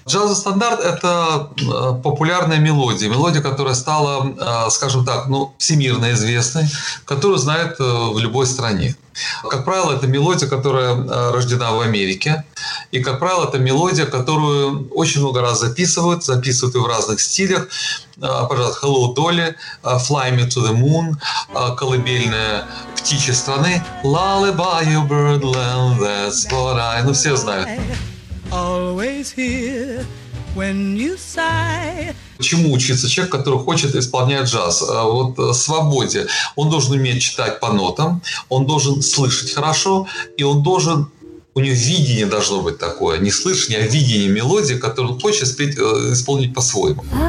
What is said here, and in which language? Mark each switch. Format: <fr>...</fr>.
<ru>Джазовый стандарт – это популярная мелодия, мелодия, которая стала, скажем так, ну, всемирно известной, которую знают в любой стране. Как правило, это мелодия, которая рождена в Америке. И, как правило, это мелодия, которую очень много раз записывают. Записывают и в разных стилях. Пожалуйста, «Hello, Dolly», «Fly me to the moon», «Колыбельная птичьи страны».</ru> <en>«Lullaby, you birdland, that's what I...»</en> <ru>Ну, все знают.</ru> <en>«Always here when you sigh».</en> <ru>Чему учиться человек, который хочет исполнять джаз? Вот свободе. Он должен уметь читать по нотам, он должен слышать хорошо, и он должен... У него видение должно быть такое, не слышание, а видение мелодии, которую он хочет спеть, исполнить по-своему.</ru>